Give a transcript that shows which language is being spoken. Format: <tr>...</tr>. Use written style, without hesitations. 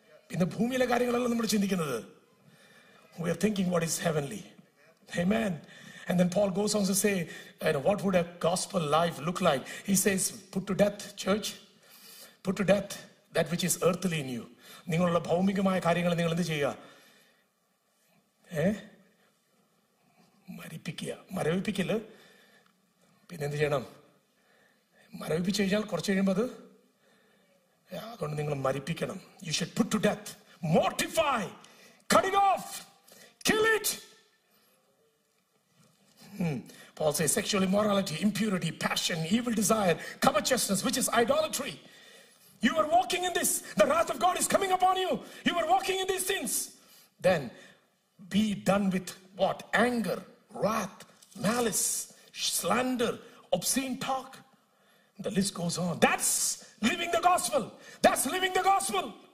<en>We are thinking what is heavenly. Amen. And then Paul goes on to say, what would a gospel life look like? He says, put to death, church. Put to death that which is earthly in you.</en> <ml>നിങ്ങളുള്ള ഭൗമികമായ കാര്യങ്ങൾ നിങ്ങൾ എന്ത് ചെയ്യുക? മരിപ്പിക്കുക. മരവിപ്പിക്കല്. പിന്നെ എന്ത് ചെയ്യണം? മരവിപ്പിച്ചു കഴിഞ്ഞാൽ കുറച്ച് കഴിയുമ്പോൾ അതുകൊണ്ട് നിങ്ങൾ മരിപ്പിക്കണം.</ml> <en>You should put to death, mortify, cut it off, kill it. Paul say, sexual immorality, impurity, passion, evil desire, covetousness, which is idolatry. You are walking in this. The wrath of God is coming upon you. You are walking in these things. Then be done with what? Anger, wrath, malice, slander, obscene talk. The list goes on. That's living the gospel. That's living the gospel.</en>